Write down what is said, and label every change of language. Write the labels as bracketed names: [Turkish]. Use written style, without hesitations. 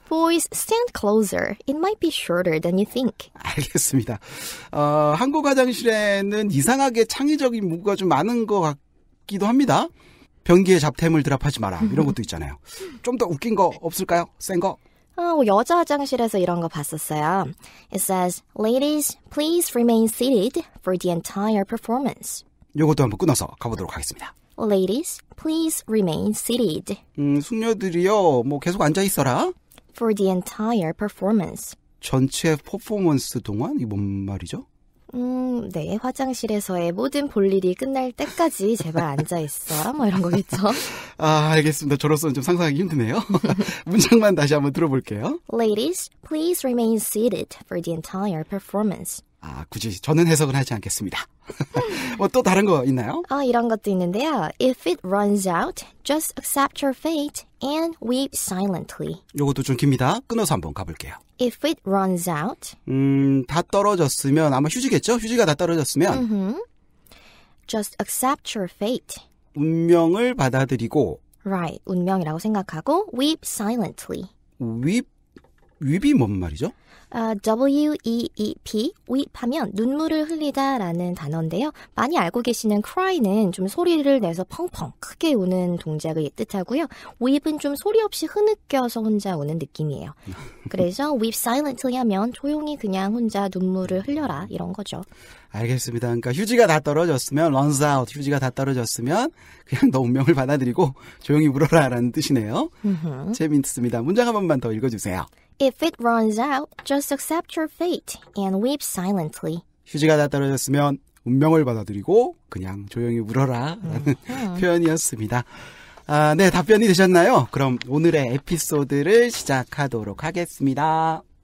[English] Boys, stand closer. It might be shorter than you think. [Korean] 알겠습니다. 어, 한국 화장실에는 이상하게 창의적인 문구가 좀 많은 것 같기도 합니다. 변기에 잡템을 드랍하지 마라. 이런 것도 있잖아요. 좀 더 웃긴 거 없을까요? 센 거. 아, 여자 화장실에서 이런 거 봤었어요. [English] It says, Ladies, please remain seated for the entire performance. [Korean] 이것도 한번 끊어서 가보도록 하겠습니다. [English] Ladies, please remain seated. [Korean] 숙녀들이요, 뭐 계속 앉아 있어라. [English] For the entire performance. [Korean] 전체 퍼포먼스 동안? 이 뭔 말이죠? 네, 화장실에서의 모든 볼일이 끝날 때까지 제발 앉아 있어라, 뭐 이런 거겠죠? 아, 알겠습니다. 저로서는 좀 상상하기 힘드네요. 문장만 다시 한번 들어볼게요. [English] Ladies, please remain seated for the entire performance. [Korean] 아, 굳이 저는 해석은 하지 않겠습니다. 뭐 또 다른 거 있나요? 아, 이런 것도 있는데요. [English] If it runs out, just accept your fate and weep silently. [Korean] 요것도 좀 깁니다. 끊어서 한번 가볼게요. [English] If it runs out. [Korean] 다 떨어졌으면 아마 휴지겠죠? 휴지가 다 떨어졌으면. [English] Just accept your fate. [Korean] 운명을 받아들이고. [English] Right. [Korean] 운명이라고 생각하고 [English] weep silently. [Korean] Weep? Weep이 뭔 말이죠? W-E-E-P, weep 하면 눈물을 흘리다 라는 단어인데요. 많이 알고 계시는 cry는 좀 소리를 내서 펑펑 크게 우는 동작을 뜻하고요. weep은 좀 소리 없이 흐느껴서 혼자 우는 느낌이에요. 그래서 [English] weep silently [Korean] 하면 조용히 그냥 혼자 눈물을 흘려라 이런 거죠. 알겠습니다. 그러니까 휴지가 다 떨어졌으면, [English] runs out, [Korean] 휴지가 다 떨어졌으면 그냥 너 운명을 받아들이고 조용히 울어라 라는 뜻이네요. 재밌습니다. 문장 한 번만 더 읽어주세요. [English] If it runs out, just accept your fate and weep silently. [Korean] 휴지가 다 떨어졌으면 운명을 받아들이고 그냥 조용히 울어라 라는 표현이었습니다. 아, 네, 답변이 되셨나요? 그럼 오늘의 에피소드를 시작하도록 하겠습니다.